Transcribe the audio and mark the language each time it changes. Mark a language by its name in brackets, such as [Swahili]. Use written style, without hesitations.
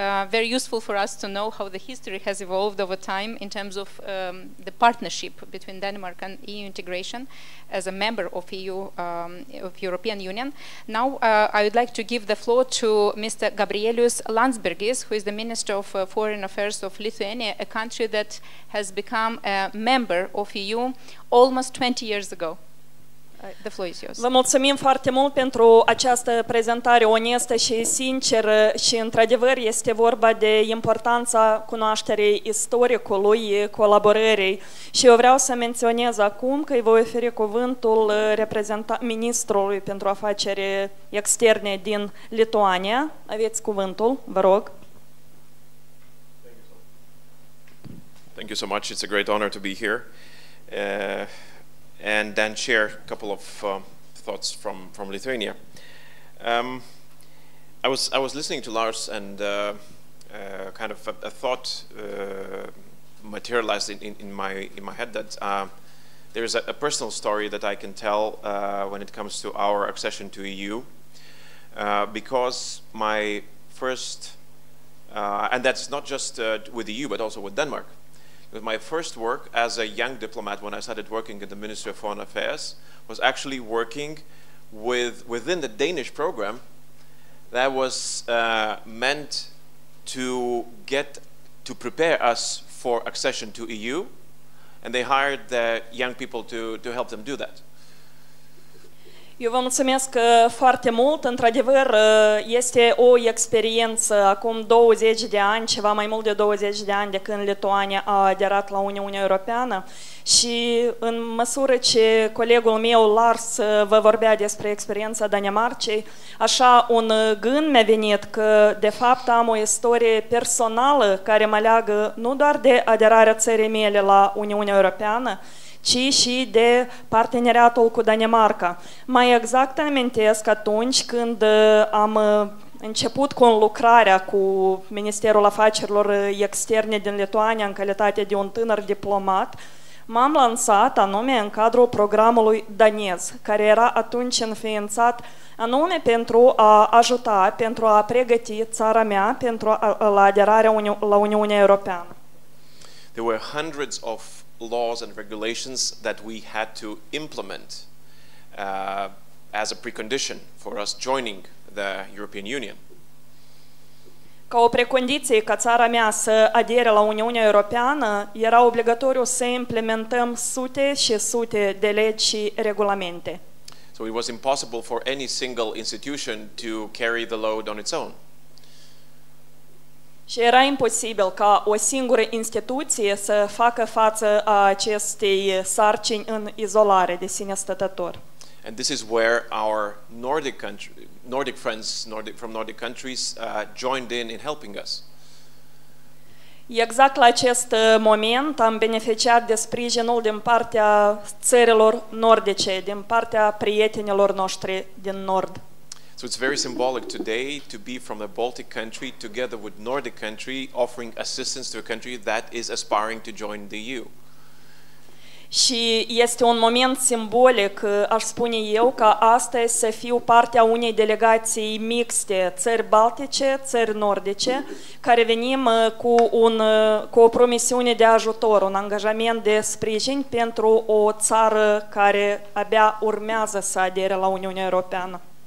[English] Very useful for us to know how the history has evolved over time in terms of the partnership between Denmark and EU integration as a member of EU, of European Union. Now I would like to give the floor to Mr. Gabrielius Landsbergis, who is the Minister of Foreign Affairs of Lithuania, a country that has become a member of EU almost 20 years ago. The floor is yours. [Romanian] Vă mulțumim foarte mult pentru această prezentare onestă și sinceră și într-adevăr este vorba de importanța cunoașterii istoricului, colaborării și eu vreau să menționez acum că îi voi oferi cuvântul ministrului pentru afaceri externe din Lituania. Aveți cuvântul, vă rog. [English] Thank you so Thank you so much. It's a great honor to be here and then share a couple of thoughts from Lithuania. I was listening to Lars, and kind of a thought materialized in my head that there is a personal story that I can tell when it comes to our accession to EU, because my first, and that's not just with the EU, but also with Denmark. With my first work as a young diplomat, when I started working in the Ministry of Foreign Affairs, was actually working within the Danish program that was meant to get to prepare us for accession to EU, and they hired the young people to help them do that. [Romanian] Eu vă mulțumesc foarte mult. Într-adevăr, este o experiență acum 20 de ani, ceva mai mult de 20 de ani, de când Lituania a aderat la Uniunea Europeană. Și în măsură ce colegul meu, Lars, vă vorbea despre experiența Danemarcei, așa un gând mi-a venit că, de fapt, am o istorie personală care mă leagă nu doar de aderarea țării mele la Uniunea Europeană, ci și de parteneriatul cu Danemarca. Mai exact amintesc atunci când am început cu lucrarea cu Ministerul Afacerilor Externe din Lituania în calitate de un tânăr diplomat, m-am lansat anume în cadrul programului danez, care era atunci înființat anume pentru a ajuta, pentru a pregăti țara mea pentru la aderarea la Uniunea Europeană. [English] There were hundreds of laws and regulations that we had to implement as a precondition for us joining the European Union. [Romanian] Ca o precondiție ca țara mea să adere la Uniunea Europeană, era obligatoriu să implementăm sute și sute de legi și regulamente. [English] So it was impossible for any single institution to carry the load on its own. [Romanian] Și era imposibil ca o singură instituție să facă față a acestei sarcini în izolare de sine stătător. [English] And this is where our Nordic country, Nordic friends, Nordic from Nordic countries joined in helping us. [Romanian] Exact la acest moment am beneficiat de sprijinul din partea țărilor nordice, din partea prietenilor noștri din nord. [English] So it's very symbolic today to be from a Baltic country together with Nordic country offering assistance to a country that is aspiring to join the EU. [Romanian] Și este un moment simbolic, aș spune eu, că astăzi să fiu partea unei delegații mixte, țări baltice, țări nordice, care venim cu o promisiune de ajutor, un angajament de sprijin pentru o țară care abia urmează să adere la Uniunea Europeană.